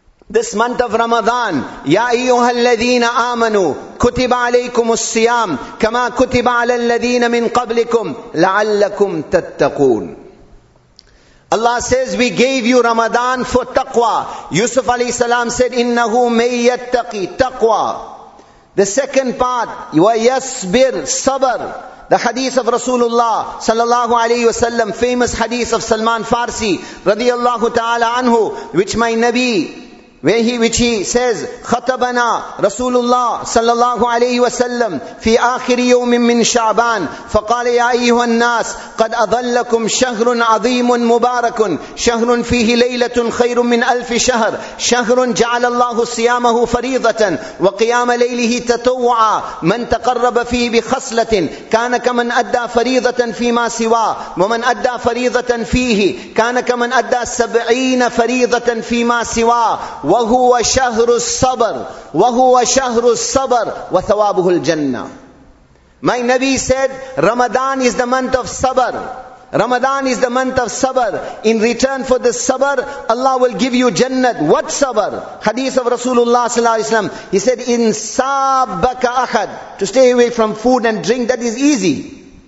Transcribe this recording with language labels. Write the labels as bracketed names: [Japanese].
[English] This month of Ramadan, [Arabic] يَا أَيُّهَا الَّذِينَ آمَنُوا كُتِبَ عَلَيْكُمُ الصِّيَامُ كَمَا كُتِبَ عَلَى الَّذِينَ مِنْ قَبْلِكُمْ لَعَلَّكُمْ تَتَّقُونَ. [English] Allah says, we gave you Ramadan for taqwa. Yusuf alayhi salam said, [Arabic] إِنَّهُ مَنْ يَتَّقِي [English] taqwa. The second part, وَيَصْبِرْ sabr. The hadith of Rasulullah sallallahu alayhi wasallam, famous hadith of Salman Farsi radiyallahu ta'ala anhu, which my Nabi, which he says, [Arabic] خَطَبَنَا رَسُولُ اللَّهِ صَلَّى اللَّهُ عَلَيْهِ وَسَلَّمْ فِي آخِرِ يَوْمٍ مِّنْ شَعْبَانِ فَقَالَ يَا أَيُّهَا النَّاسِ قَدْ أَضَلَّكُمْ شَهْرٌ عَظِيمٌ مُبَارَكٌ شَهْرٌ فِيهِ لَيْلَةٌ خَيْرٌ مِّنْ أَلْفِ شَهْرٍ شَهْرٌ جَعَلَ اللَّهُ صِيَامَهُ فَرِيضَةً وَقِيَامَ لَيْلِهِ تَطَوُّعًا مَنْ تَقَرَّبَ فِيهِ بِخَصْلَةٍ كَانَ كَمَنْ أَدَّى فَرِيضَةً فِيمَا سِوَاهُ وَمَنْ أَدَّى فَرِيضَةً فِيهِ كَانَ كَمَنْ أَدَّى 70 فَرِيضَةً فِيمَا سِوَاهُ وَهُوَ شَهْرُ الصَّبْرِ وَهُوَ شَهْرُ الصَّبْرِ وَثَوَابُهُ الْجَنَّةِ. [English] My Nabi said, Ramadan is the month of sabr. Ramadan is the month of sabr. In return for this sabr, Allah will give you jannat. What sabr? Hadith of Rasulullah sallallahu alaihi wasallam. He said, in sabbaka ahad, to stay away from food and drink, that is easy.